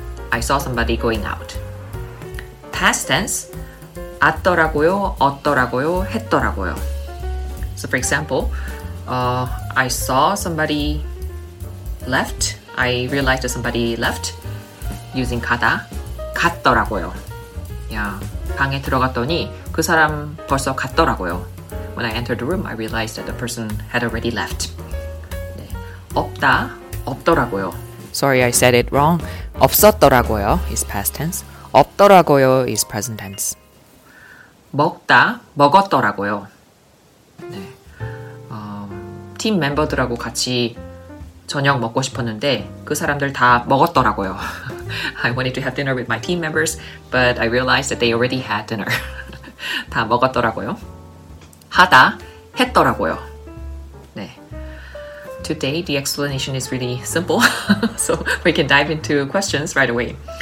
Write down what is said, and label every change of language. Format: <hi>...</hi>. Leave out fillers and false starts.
<en>I saw somebody going out. Past tense,</en> <ko>왔더라고요, 얻더라고요, 했더라고요.</ko> <en>So for example, I saw somebody left. I realized that somebody left using 가다, 갔더라고요.</en> <ko>Yeah, 방에 들어갔더니 그 사람 벌써 갔더라고요.</ko> <en>When I entered the room, I realized that the person had already left.</en> <ko>네. 없다, 없더라고요.</ko> <en>Sorry, I said it wrong. 없었더라고요 is past tense. 없더라고요 is present tense.</en> <ko>먹다, 먹었더라고요. 네. 팀 멤버들하고 같이 저녁 먹고 싶었는데 그 사람들 다 먹었더라고요.</ko> <en>I wanted to have dinner with my team members, but I realized that they already had dinner.</en> <ko>다 먹었더라고요. 하다, 했더라고요. 네.</ko> <en>Today, the explanation is really simple, so we can dive into questions right away.</en>